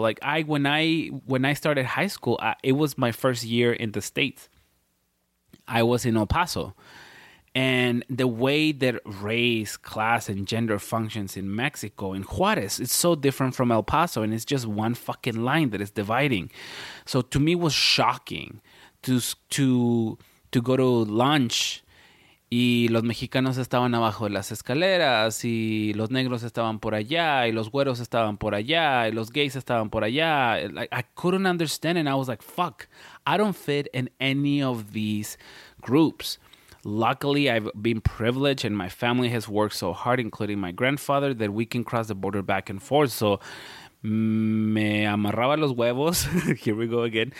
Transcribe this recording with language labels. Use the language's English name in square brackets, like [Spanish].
[English] Like when I started high school, it was my first year in the States. I was in El Paso. And the way that race, class, and gender functions in Mexico, in Juarez, it's so different from El Paso, and it's just one fucking line that is dividing. So to me, it was shocking to go to lunch, [Spanish] y los mexicanos estaban abajo de las escaleras, y los negros estaban por allá, y los güeros estaban por allá, y los gays estaban por allá. [English] Like, I couldn't understand, and I was like, fuck, I don't fit in any of these groups. Luckily, I've been privileged and my family has worked so hard, including my grandfather, that we can cross the border back and forth. So, [Spanish] me amarraba los huevos. [English] Here we go again.